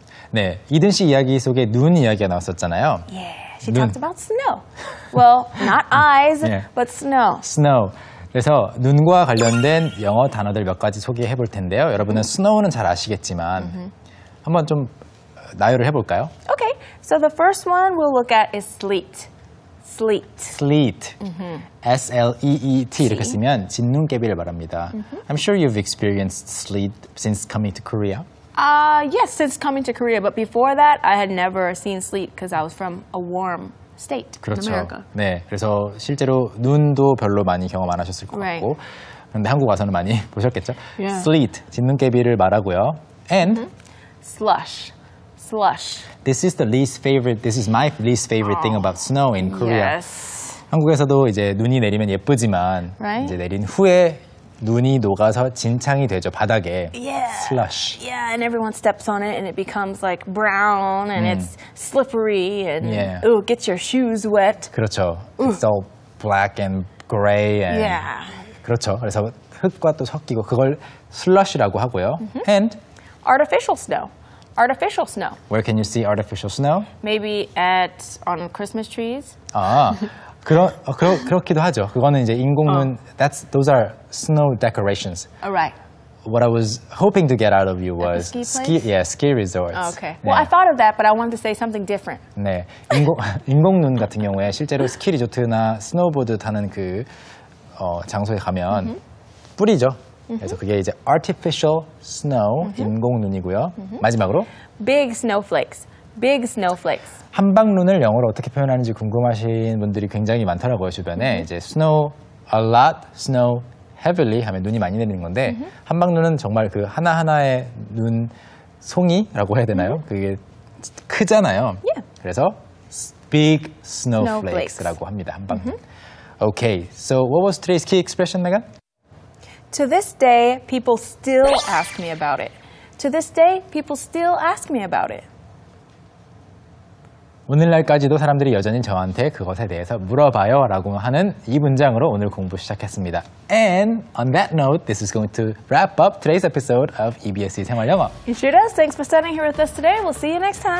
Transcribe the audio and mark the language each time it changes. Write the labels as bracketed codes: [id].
[ko] 네, 이든 씨 이야기 속에 눈 이야기가 나왔었잖아요. [en] Yeah, she 눈. talked about snow. Well, not eyes, yeah. but snow. Snow. [ko] 그래서 눈과 관련된 영어 단어들 몇 가지 소개해 볼 텐데요. 여러분은 snow는 잘 아시겠지만 한번 좀 나열을 해볼까요? [en] Okay, so the first one we'll look at is sleet. Sleet. [ko] Sleet. S-L-E-E-T 이렇게 쓰면 진눈깨비를 말합니다. [en] I'm sure you've experienced sleet since coming to Korea. Yes, since coming to Korea. But before that, I had never seen sleet because I was from a warm state, [ko] 그렇죠. [en] America. [ko] 네, 그래서 실제로 눈도 별로 많이 경험 안 하셨을 것 같고 그런데 한국 와서는 많이 보셨겠죠? [en] Yeah. [ko] Sleet, 진눈깨비를 말하고요. And? [en] Slush. Slush. This is the least favorite, this is my least favorite thing about snow in Korea. Yes. [ko] 한국에서도 이제 눈이 내리면 예쁘지만 [en] right? [ko] 이제 내린 후에 눈이 녹아서 진창이 되죠, 바닥에. [en] Yeah. Slush. Yeah, and everyone steps on it and it becomes like brown and it's slippery and yeah. ooh, gets your shoes wet. [ko] 그렇죠. [en] It's all black and gray and... Yeah. [ko] 그렇죠. 그래서 흙과 또 섞이고 그걸 slush라고 하고요. And? [en] Artificial snow. Artificial snow. Where can you see artificial snow? Maybe at on Christmas trees. [ko] 아, 그렇기도 하죠. 그거는 이제 인공눈. [en] That's those are snow decorations. All right. What I was hoping to get out of you was ski, place? Yeah, ski resorts. Oh, okay. 네. Well, I thought of that, but I wanted to say something different. [ko] 네, 인공눈 같은 경우에 실제로 스키 리조트나 스노보드 타는 그 장소에 가면 뿌리죠. 그래서 그게 이제 artificial snow, 인공눈이고요. 마지막으로 [en] big snowflakes, big snowflakes. [ko] 한방눈을 영어로 어떻게 표현하는지 궁금하신 분들이 굉장히 많더라고요, 주변에. 이제 snow a lot, snow heavily 하면 눈이 많이 내리는 건데 한방눈은 정말 그 하나하나의 눈 송이라고 해야 되나요? 그게 크잖아요. [en] Yeah. [ko] 그래서 big snowflakes라고 합니다, 한방눈. [en] Okay, so what was today's key expression, Megan? To this day, people still ask me about it. To this day, people still ask me about it. [ko] 오늘날까지도 사람들이 여전히 저한테 그것에 대해서 물어봐요 라고 하는 이 문장으로 오늘 공부 시작했습니다. [en] And on that note, this is going to wrap up today's episode of EBSe 생활영어. It sure does. Thanks for studying here with us today. We'll see you next time.